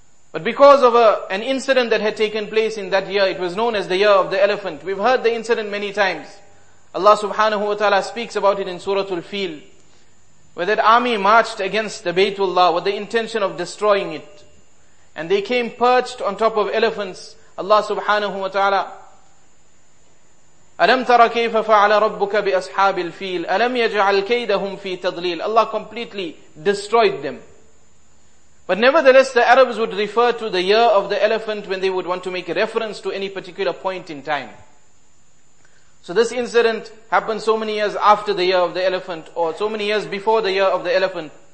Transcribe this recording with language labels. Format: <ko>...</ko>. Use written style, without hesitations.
<en>But because of an incident that had taken place in that year, it was known as the year of the elephant. We've heard the incident many times. Allah subhanahu wa ta'ala speaks about it in Suratul Fil, where that army marched against the Baytullah with the intention of destroying it. And they came perched on top of elephants.</en> <ar>Allah subhanahu wa ta'ala, أَلَمْ تَرَ كَيْفَ فَعَلَ رَبُّكَ بِأَصْحَابِ الْفِيلِ أَلَمْ يَجْعَلْ كَيْدَهُمْ فِي تَضْلِيلِ.</ar> <en>Allah completely destroyed them. But nevertheless, the Arabs would refer to the year of the elephant when they would want to make a reference to any particular point in time. So this incident happened so many years after the year of the elephant, or so many years before the year of the elephant.</en>